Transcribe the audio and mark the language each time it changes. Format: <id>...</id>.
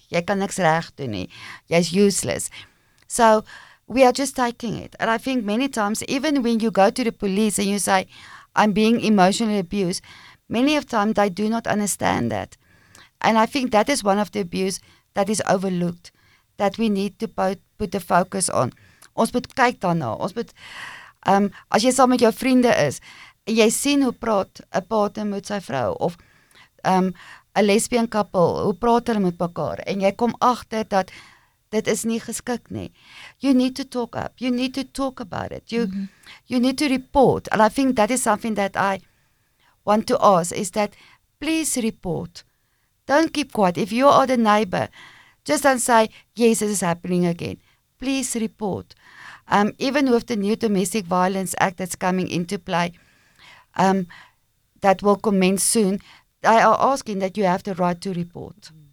<af>Jy kan niks reg doen nie. Jy is useless."</af> <en>So we are just taking it. And I think many times, even when you go to the police and you say, "I'm being emotionally abused," many of the time they do not understand that. And I think that is one of the abuse that is overlooked, that we need to put the focus on.</en> <af>Ons moet kyk daarna. Ons moet, as jy saam met jou vriende is, en jy sien hoe praat 'n partner met sy vrou, of 'n lesbian couple, hoe praat hulle met mekaar, en jy kom agter dat dit is nie geskik nie.</af> <en>You need to talk up. You need to talk about it. You need to report. And I think that is something that I want to ask, is that please report. Don't keep quiet. If you are the neighbor, just don't say, yes, this is happening again. Please report. Even with the new Domestic Violence Act that's coming into play, that will commence soon, they are asking that you have the right to report.</en>